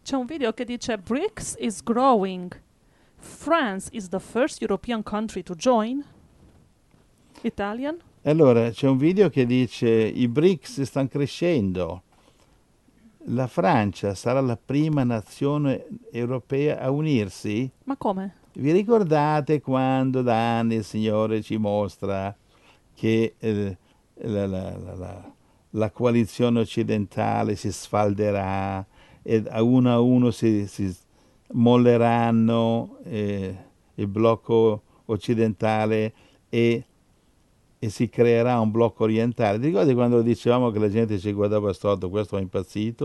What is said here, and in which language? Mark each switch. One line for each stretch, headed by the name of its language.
Italian: c'è un video che dice
English: BRICS is growing. France is the first European country to join. Italian?
Italian: Allora, c'è un video che dice i BRICS stanno crescendo. La Francia sarà la prima nazione europea a unirsi? Ma come? Vi ricordate quando da anni il Signore ci mostra che la coalizione occidentale si sfalderà e a uno si molleranno il blocco occidentale e si creerà un blocco orientale? Ti ricordi quando dicevamo che la gente ci guardava storto, questo è impazzito?